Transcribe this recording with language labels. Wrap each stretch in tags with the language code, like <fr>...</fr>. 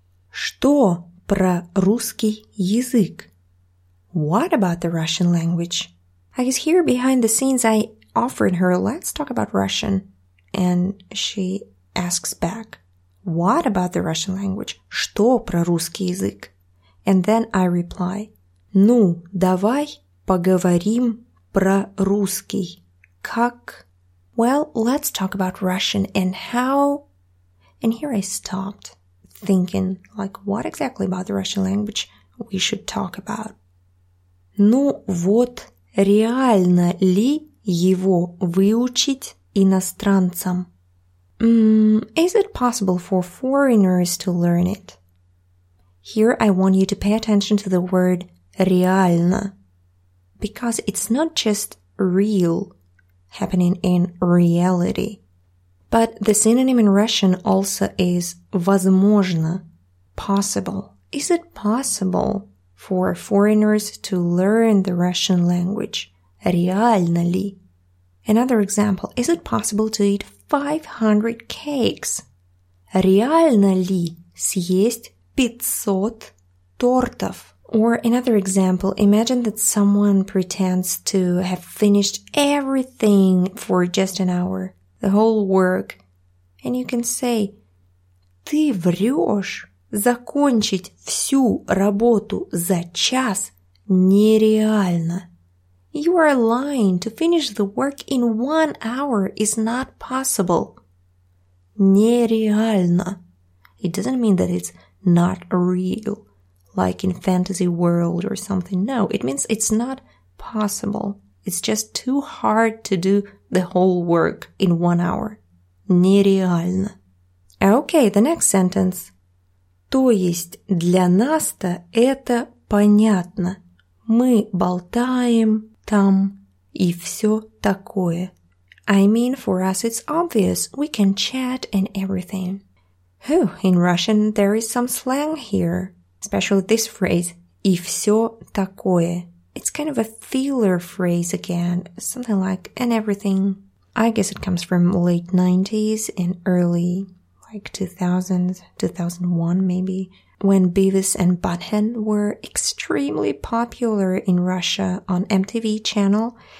<ru>Что про русский язык?</ru> <en>What about the Russian language? I guess here behind the scenes I offered her, let's talk about Russian. And she asks back, What about the Russian language?</en> <ru>Что про русский язык?</ru> <en>And then I reply,</en> <ru>Ну, давай поговорим про русский. Как?</ru> <en>Well, let's talk about Russian and how... And here I stopped thinking, like, what exactly about the Russian language we should talk about?</en> <ru>Ну, вот реально ли его выучить иностранцам?</ru> <en>Is it possible for foreigners to learn it? Here I want you to pay attention to the word реально, because it's not just real happening in reality, but the synonym in Russian also is возможно, possible. Is it possible for foreigners to learn the Russian language?</en> <ru>Реально ли?</ru> <en>Another example, is it possible to eat 500 cakes?</en> <ru>Реально ли съесть 500 тортов?</ru> <en>Or another example, imagine that someone pretends to have finished everything for just an hour, the whole work. And you can say,</en> <ru>Ты врешь, закончить всю работу за час Нереально.</ru> <en>You are lying. To finish the work in 1 hour is not possible.</en> <ru>Нереально.</ru> <en>It doesn't mean that it's not real, like in fantasy world or something. No, it means it's not possible. It's just too hard to do the whole work in 1 hour.</en> <ru>Нереально.</ru> <en>Okay, the next sentence.</en> <ru>То есть для нас-то это понятно. Мы болтаем там и все такое.</ru> <en>I mean, for us it's obvious. We can chat and everything. Whew, in Russian there is some slang here. Especially this phrase.</en> <ru>И все такое.</ru> <en>It's kind of a filler phrase again. Something like and everything. I guess it comes from late 90s and early like 2000s, 2001 maybe, when Beavis and Butthead were extremely popular in Russia on MTV channel.</en>